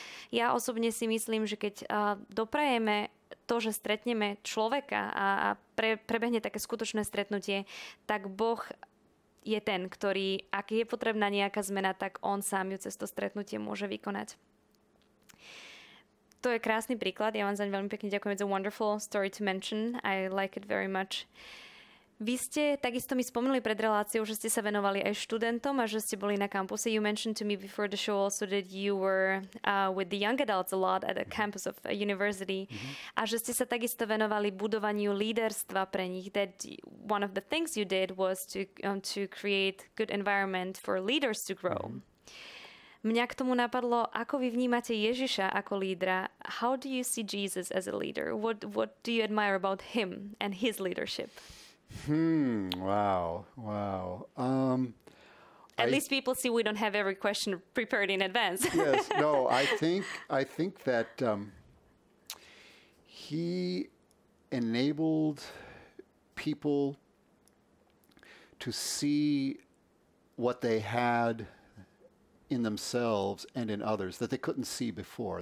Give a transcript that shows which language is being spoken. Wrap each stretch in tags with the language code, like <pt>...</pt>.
<sk>Ja osobne si myslím, že keď doprajeme to, že stretneme človeka a prebehne také skutočné stretnutie, tak Boh je ten, ktorý, ak je potrebná nejaká zmena, tak on sám ju cez to stretnutie môže vykonať. To je krásny príklad. Ja vám zaň veľmi pekne ďakujem.</sk> <en>It's a wonderful story to mention. I like it very much.</en> <sk>Vy ste takisto mi spomenuli pred reláciou, že ste sa venovali aj študentom a že ste boli na kampuse.</sk> <en>You mentioned to me before the show also that you were with the young adults a lot at the campus of a university. Mm-hmm.</en> <sk>A že ste sa takisto venovali budovaniu líderstva pre nich.</sk> <en>That one of the things you did was to create good environment for leaders to grow.</en> <sk>Mňa k tomu napadlo, ako vy vnímate Ježiša ako lídra.</sk> <en>How do you see Jesus as a leader? What do you admire about him and his leadership? Wow. At least people see we don't have every question prepared in advance. Yes, no, I think that he enabled people to see what they had in themselves and in others that they couldn't see before.</en>